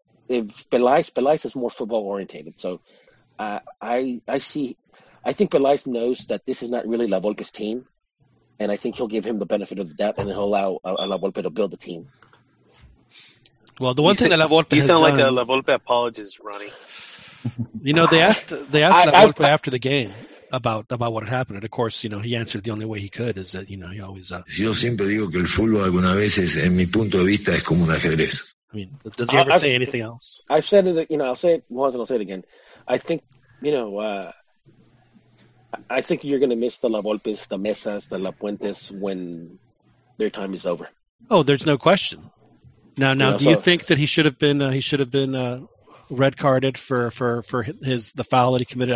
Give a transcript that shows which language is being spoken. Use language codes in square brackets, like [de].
[en] If Pelais is more football orientated. So I think Pelais knows that this is not really La Volpe's team, and I think he'll give him the benefit of the doubt, and he'll allow La Volpe to build the team. Well, the one thing that La Volpe has done... You sound like a La Volpe apologist, Ronnie. You know, they asked La Volpe after the game about what had happened, and of course, he answered the only way he could is that, he always... [es] Yo siempre digo que el fútbol algunas veces, en mi punto de vista, es como un ajedrez. [en] I mean, does he ever say anything else? I've said it, I'll say it once and I'll say it again. I think, I think you're going to miss the La Volpes, the Mesas, the La Puentes when their time is over. Oh, there's no question. Do you think that he should have been red carded for the foul that he committed?